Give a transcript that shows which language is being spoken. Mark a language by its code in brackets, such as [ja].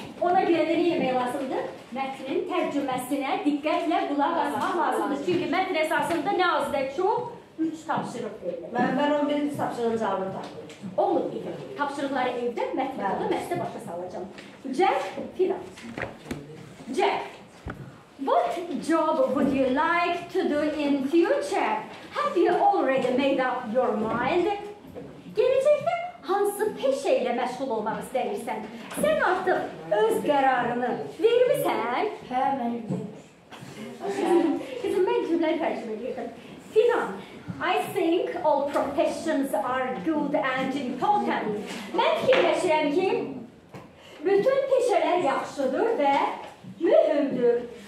[az] Ona görə də yemək lazımdır. Mətnin tərcüməsinə diqqətlə qulaq asmaq lazımdır. Çünki mətn əsasında nə az da çox? 3 tapşırıq verilir. Mən 11-ci tapşırığın cavabını tapdım. Olur, gedir. Tapşırıqları evdə, mətnə alıb, məsələ başa salacağım. Jack, Fira. [en] Jack, what job would you like to do in future? Have you already made up your mind? [az] Gelecekte hansı peşeyle məşğul olmaq istəyirsən? Sən artıq öz qərarını vermisən? Hə, mən cümləri tərcümə edirəm. [en] Sinan, I think all professions are good and important. [az] Mən fikirləşirəm ki, bütün peşələr yaxşıdır və mühümdür.